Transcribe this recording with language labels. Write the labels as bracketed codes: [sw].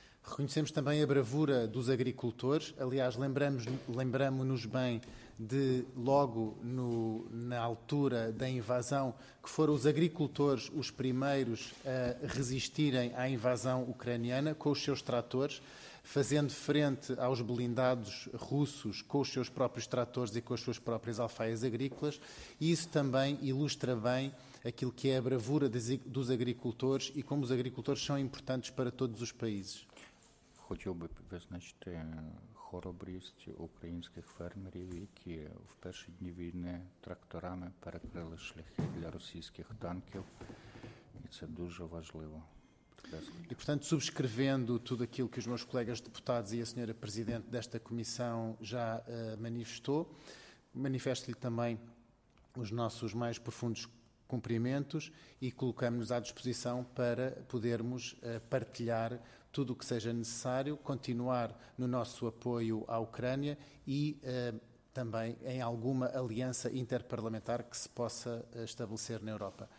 [pt] Reconhecemos também a bravura dos agricultores. Aliás, lembramos-nos bem de, logo no, na altura da invasão, que foram os agricultores os primeiros a resistirem à invasão ucraniana com os seus tratores, fazendo frente aos blindados russos com os seus próprios tratores e com as suas próprias alfaias agrícolas. Isso também ilustra bem aquilo que é a bravura dos agricultores e como os agricultores são importantes para todos os países. [uk] Хотів би визначити хоробрість українських фермерів, які в перші дні війни тракторами перекрили шляхи для російських танків. І це дуже важливо. [pt] E, portanto, subscrevendo tudo aquilo que os meus colegas deputados e a senhora presidente desta comissão já manifestou, manifesto-lhe também os nossos mais profundos cumprimentos e colocamos-nos à disposição para podermos partilhar tudo o que seja necessário, continuar no nosso apoio à Ucrânia e também em alguma aliança interparlamentar que se possa estabelecer na Europa.